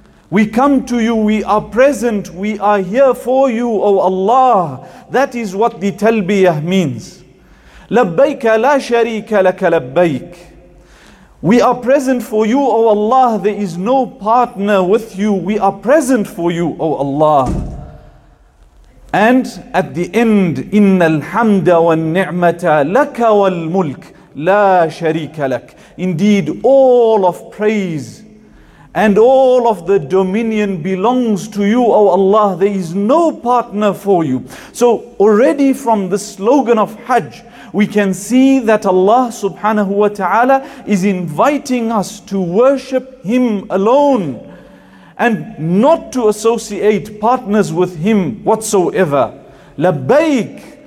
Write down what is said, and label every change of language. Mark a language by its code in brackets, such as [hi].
[en] We come to you, we are present, we are here for you, O Allah. That is what the talbiyah means. [ar] Labbaik la sharika laka labbaik. [en] We are present for you, O Allah. There is no partner with you. We are present for you, O Allah. And at the end, [ar] إِنَّ الْحَمْدَ وَالنِّعْمَةَ لَكَ وَالْمُلْكِ لَا شَرِيكَ لَكَ. [en] Indeed, all of praise and all of the dominion belongs to you, O Allah. There is no partner for you. So already from the slogan of Hajj, we can see that Allah subhanahu wa ta'ala is inviting us to worship Him alone and not to associate partners with Him whatsoever. Labbaik.